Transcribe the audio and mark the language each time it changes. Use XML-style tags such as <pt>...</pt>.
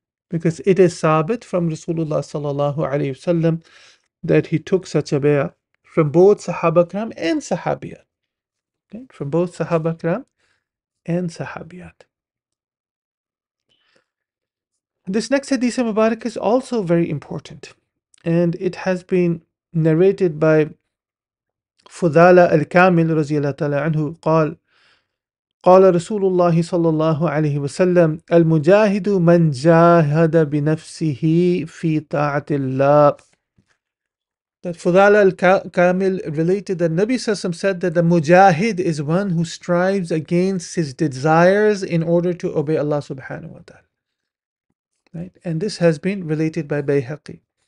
<en>Because it is sabit from Rasulullah sallallahu alayhi wasallam that he took such a bay'ah from both Sahaba kiram and Sahabiyat. Okay? From both Sahaba kiram and Sahabiyat. This next hadith of Mubarak is also very important. And it has been narrated by Fudala al-Kamil</en> <ar>رضي الله تعالى عنه قال قال رسول الله صلى الله عليه وسلم المجاهد من جاهد بنفسه في طاعة الله.</ar> <en>That Fudala al-Kamil related that Nabi</en> <ar>صلى الله عليه وسلم</ar> <en>said that the mujahid is one who strives against his desires in order to obey Allah subhanahu wa ta'ala. Right? And this has been related by Bayhaqi.</en>